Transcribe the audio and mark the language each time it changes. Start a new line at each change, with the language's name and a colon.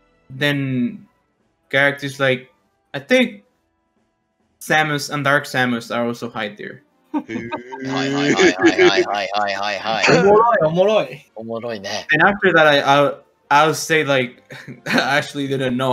English: Then characters like I think Samus and Dark Samus are also high tier.
Japanese: はいはいはいはいはいはいはいはい。おもろいおもろい。おもろいね。
English: And after that, I'll say like I actually didn't know.